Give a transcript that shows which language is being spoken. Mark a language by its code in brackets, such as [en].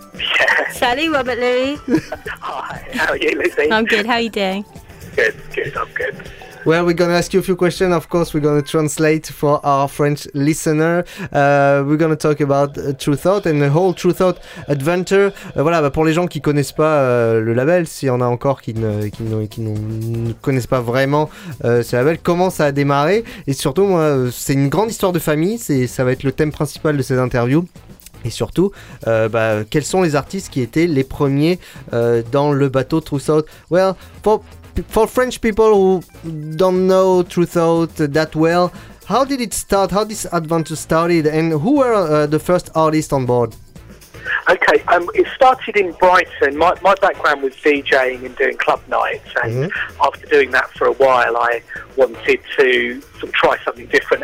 [en] Yeah. Sally, Robert Lee. Hi, how are you, Lizzy? I'm good, how are you doing? Good. Well, we're going to ask you a few questions. Of course, we're going to translate for our French listener. We're going to talk about Truthout and the whole Truthout adventure. [fr] Voilà, bah, pour les gens qui ne connaissent pas le label, s'il y en a encore qui ne connaissent pas vraiment ce label, comment ça a démarré? Et surtout, moi, c'est une grande histoire de famille, ça va être le thème principal de cette interview. Et surtout, quels sont les artistes qui étaient les premiers dans le bateau Truthout? [en] Well, for French people who don't know Truthout that well, how did it start? How this adventure started? And who were the first artists on board? Okay, it started in Brighton. My background was DJing and doing club nights. And after doing that for a while, I wanted to sort of try something different.